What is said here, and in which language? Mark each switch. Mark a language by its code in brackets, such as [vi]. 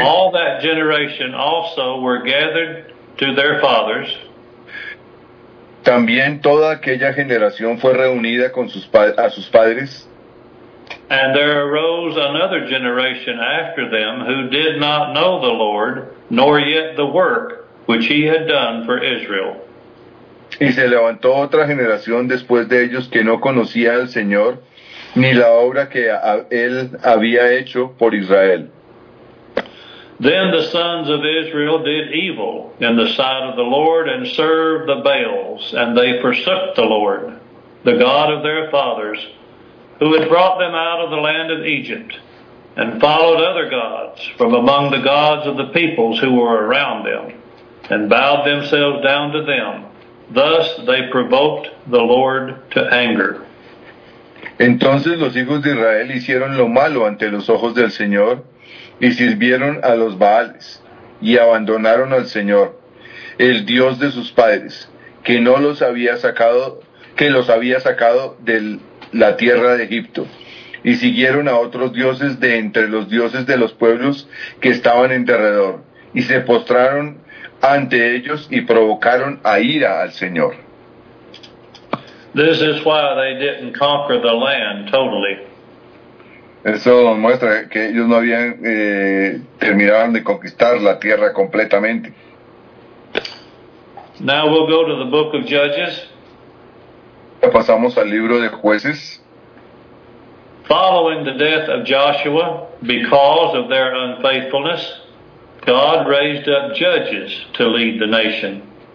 [en] All that generation also were gathered to their fathers. [es] También toda aquella generación fue reunida con sus a sus padres. [en] And there arose another generation after them who did not know the Lord, nor yet the work which he had done for Israel. [es] Y se levantó otra generación después de ellos que no conocía al Señor, ni la obra que él había hecho por Israel. [en] Then the sons of Israel did evil in the sight of the Lord and served the Baals, and they forsook the Lord, the God of their fathers, who had brought them out of the land of Egypt, and followed other gods from among the gods of the peoples who were around them, and bowed themselves down to them. Thus they provoked the Lord to anger. [es] Entonces los hijos de Israel hicieron lo malo ante los ojos del Señor, y sirvieron a los Baales, y abandonaron al Señor, el Dios de sus padres, que no los había sacado, que los había sacado de la tierra de Egipto, y siguieron a otros dioses de entre los dioses de los pueblos que estaban en derredor, y se postraron ante ellos y provocaron a ira al Señor. [en] This is why they didn't conquer the land totally. [es] Eso muestra que ellos no habían terminado de conquistar la tierra completamente. [en] Now we'll go to the book of Judges. [es] Pasamos al libro de Jueces. [en] Following the death of Joshua, because of their unfaithfulness, God raised up judges to lead the nation.